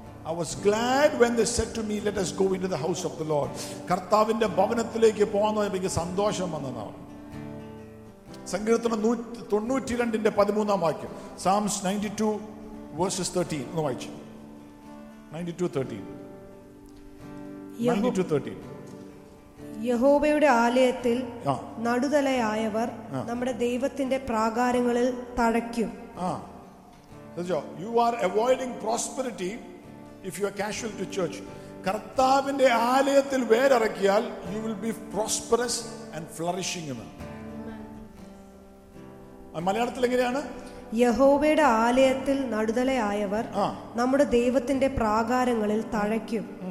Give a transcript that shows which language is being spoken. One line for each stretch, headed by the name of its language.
English: I was glad when they said to me, let us go into the house of the Lord.
Malayalam: കർത്താവിന്റെ ഭവനത്തിലേക്ക് പോകാൻ എനിക്ക് സന്തോഷം വന്നതാണ്. സങ്കീർത്തനം 92:13 പതിമൂന്നാം വാക്യം.
English: Psalms 92:13
Malayalam: യഹോവയുടെ ആലയത്തിൽ നടുതലയായവർ നമ്മുടെ ദൈവത്തിന്റെ പ്രാകാരങ്ങളിൽ തഴയ്ക്കും.
English: You are avoiding prosperity if you are casual to church.
Malayalam: കർത്താവിന്റെ ആലയത്തിൽ വേരറക്കിയാൽ
English: you will be prosperous and flourishing.
Malayalam: മലയാളത്തിൽ എങ്ങനെയാണ്? യഹോവയുടെ ആലയത്തിൽ നടുതലയായവർ നമ്മുടെ ദൈവത്തിന്റെ പ്രാകാരങ്ങളിൽ തഴയ്ക്കും.